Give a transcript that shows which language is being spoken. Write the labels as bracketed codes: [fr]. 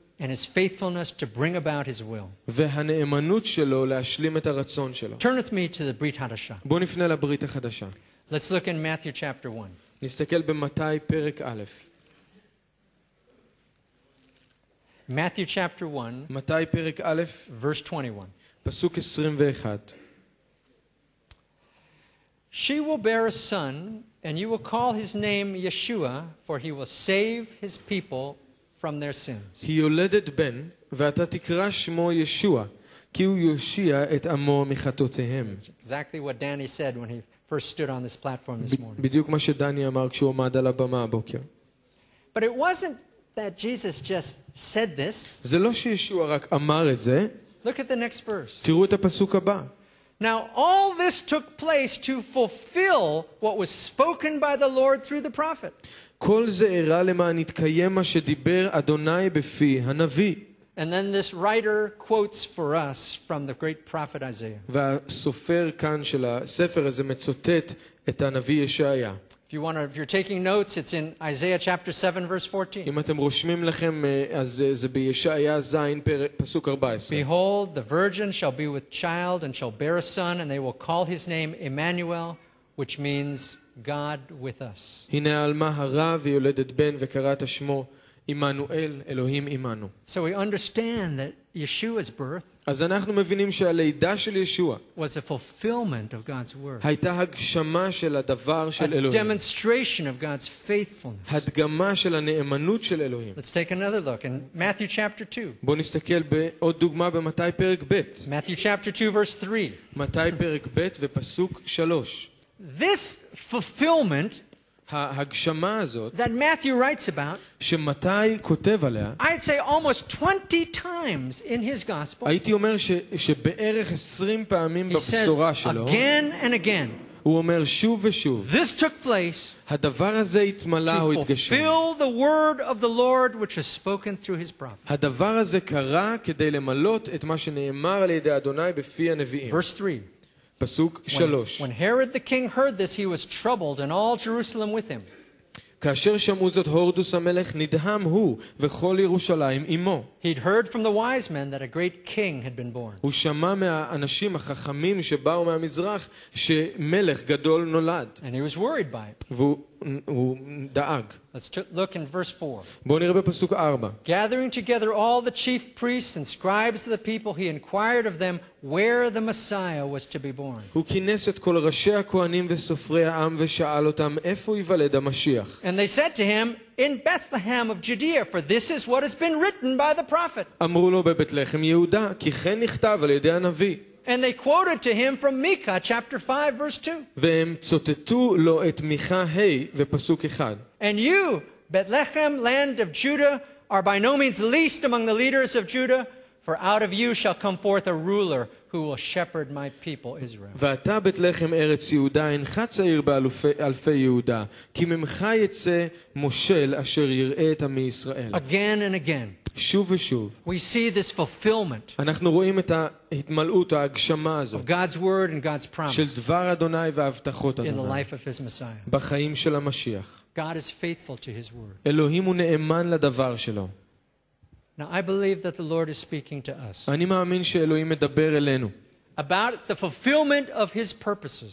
[en] And his faithfulness to bring about his will. [he] והנאמנות שלו להשלים את הרצון שלו. [en] Turn with me to the Brit Hadasha. [he] בוא נפנה לברית החדשה. [en] Let's look in Matthew chapter 1. [he] נסתכל במתי פרק א'. [en] Matthew chapter 1. [he] מתי פרק א'. [en] Verse 21. [he] פסוק 21. [en] She will bear a son, and you will call his name Yeshua, for he will save his people from their sins. [he] היא יולדת בן ואתה תקרא שמו ישוע כי הוא יושיע את עמו מחטאותיהם. [en] Exactly what Danny said when he first stood on this platform this morning. [he] בדיוק מה שדני אמר כשהוא עמד על הבמה הבוקר. [en] But it wasn't that Jesus just said this. [he] זה לא שישוע רק אמר את זה. [en] Look at the next verse. [he] תראו את הפסוק הבא. [en] Now all this took place to fulfill what was spoken by the Lord through the prophet. [he] כל זה אירע למען יתקיים מה שדיבר אדוני בפי הנביא. [en] And then this writer quotes for us from the great prophet Isaiah. [he] והסופר כאן של הספר הזה מצוטט את הנביא ישעיה. [en] If If you're taking notes, it's in Isaiah chapter 7, verse 14. [he] אם אתם רושמים לכם, אז זה בישעיה זין פסוק 14. [en] Behold, the virgin shall be with child and shall bear a son, and they will call his name Emmanuel, which means God with us. [he] הנה עלמה הרה ויולדת בן וקראת שמו Immanuel, Elohim Imanu. [en] So we understand that Yeshua's birth [he] אז אנחנו מבינים שהלידה של ישוע [en] was a fulfillment of God's word. [he] הייתה הגשמה של הדבר של [en] a [he] אלוהים. [en] Demonstration of God's faithfulness. [he] הדגמה של הנאמנות של אלוהים. [en] Let's take another look in Matthew chapter 2. [he] בוא נסתכל בעוד דוגמה במתי פרק ב'. [en] Matthew chapter 2 verse 3. [he] מתי פרק ב' ופסוק 3. [en] This fulfillment [he] ההגשמה הזאת [en] that Matthew writes about [he] שמתי כותב עליה [en] I'd say almost 20 times in his gospel [he] הייתי אומר שבערך 20 פעמים בבשורה שלו [en] again and again [he] הוא אומר שוב ושוב [en] this took place [he] הדבר הזה התמלא או התגשם [en] fulfill the word of the Lord which was spoken through his prophet [he] הדבר הזה קרה כדי למלות את מה שנאמר על ידי אדוני בפי הנביאים [en] verse 3 [he] פסוק 3 [en] When Herod the king heard this he was troubled and all Jerusalem with him [he] כאשר שמעו זאת הורדוס המלך נדהם הוא וכל ירושלים עמו [en] He'd heard from the wise men that a great king had been born [he] הוא שמע מהאנשים החכמים שבאו מהמזרח שמלך גדול נולד [en] And he was worried by it [he] והוא דאג [en] Let's look in verse 4 [he] בוא נראה בפסוק 4 [en] Gathering together all the chief priests and scribes of the people he inquired of them where the Messiah was to be born. [he] הוא כינס את כל ראשי הכהנים וסופרי העם ושאל אותם איפה יוולד המשיח. [en] And they said to him, in Bethlehem of Judea, for this is what has been written by the prophet. [he] אמרו לו בבית לחם יהודה, כי כן נכתב על ידי הנביא. [en] And they quoted to him from Micah chapter 5 verse 2. [he] והם צוטטו לו את מיכה ה' ופסוק 1. [en] And you, Bethlehem, land of Judah, are by no means least among the leaders of Judah, For out of you shall come forth a ruler who will shepherd my people Israel. [he] ואתה בית לחם ארץ יהודה אינך צעיר באלפי יהודה כי ממך יצא מושל אשר יראה את עמי ישראל. [en] Again and again. [he] שוב ושוב. [en] We see this fulfillment. [he] אנחנו רואים את ההתמלאות ההגשמה הזאת. [en] Of God's word and God's promise. [he] של דבר אדוני והבטחות אדוני. [en] In the life of his Messiah. [he] בחיים של המשיח. [en] God is faithful to his word. [he] אלוהים הוא נאמן לדבר שלו. [en] Now I believe that the Lord is speaking to us. [he] אני מאמין שאלוהים מדבר אלינו. [en] About the fulfillment of his purposes.